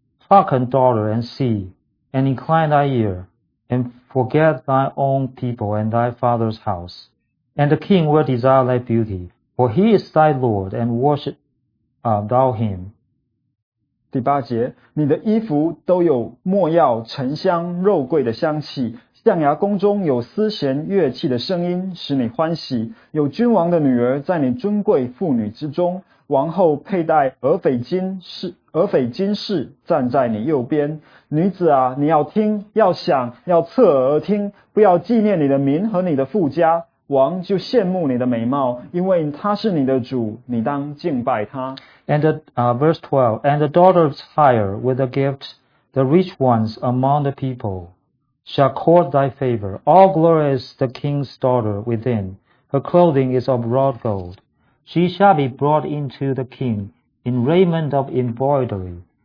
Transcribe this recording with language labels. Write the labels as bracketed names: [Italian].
[English] Hearken, daughter, and see, and incline thy ear, and forget thy own people and thy father's house. And the king will desire thy beauty, For he is thy Lord, and worship thou him. [Chinese] 第八节，你的衣服都有墨药、沉香、肉桂的香气。象牙宫中有丝弦乐器的声音，使你欢喜。有君王的女儿在你尊贵妇女之中，王后佩戴俄斐金饰站在你右边。女子啊，你要听，要想，要侧耳而听，不要纪念你的民和你的富家。王就羡慕你的美貌，因为他是你的主，你当敬拜他。 [English] And the, verse 12, and the daughter of Tyre with a gift, the rich ones among the people. Shall court thy favor. All glorious the king's daughter within. Her clothing is of wrought gold. She shall be brought into the king in raiment of embroidery.